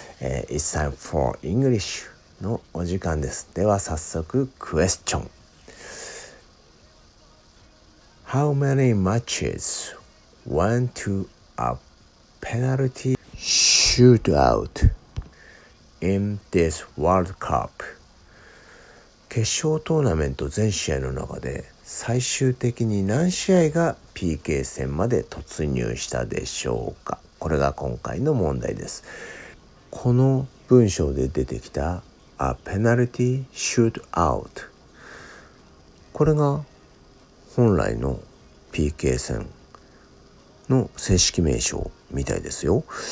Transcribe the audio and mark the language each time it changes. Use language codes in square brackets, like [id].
[en] It's time for English [ja] のお時間です。では早速クエスチョン。 [en] How many matches went to a penalty shootout in this World Cup? [ja] 決勝トーナメント全試合の中で最終的に何試合が PK 戦まで突入したでしょうか？これが今回の問題です。この文章で出てきた A penalty shootout、 これが本来のPK 戦の正式名称みたいですよ。